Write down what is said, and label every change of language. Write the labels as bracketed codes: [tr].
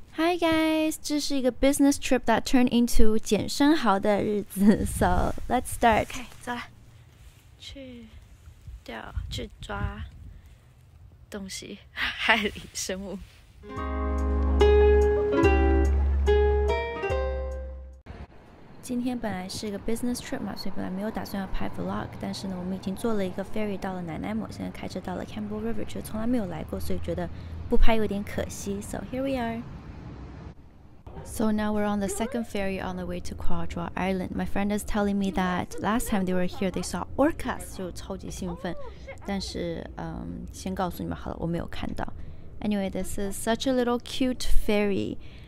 [en] Hi guys, this is a business trip that turned into [zh] 捡生蚝的日子。 [en] So let's start. [zh] OK, 走了。去钓，去抓东西，海里生物。今天本来是一个 business trip 嘛，所以本来没有打算要拍 vlog， 但是呢，我们已经坐了一个 ferry 到了奶奶母，现在开车到了 Campbell River， 就从来没有来过，所以觉得不拍有点可惜。 [en] So here we are. So now we're on the second ferry on the way to Quadra Island. My friend is telling me that last time they were here, they saw orcas， [zh] 就超级兴奋。但是，先告诉你们好了，我没有看到。 [en] Anyway, this is such a little cute ferry.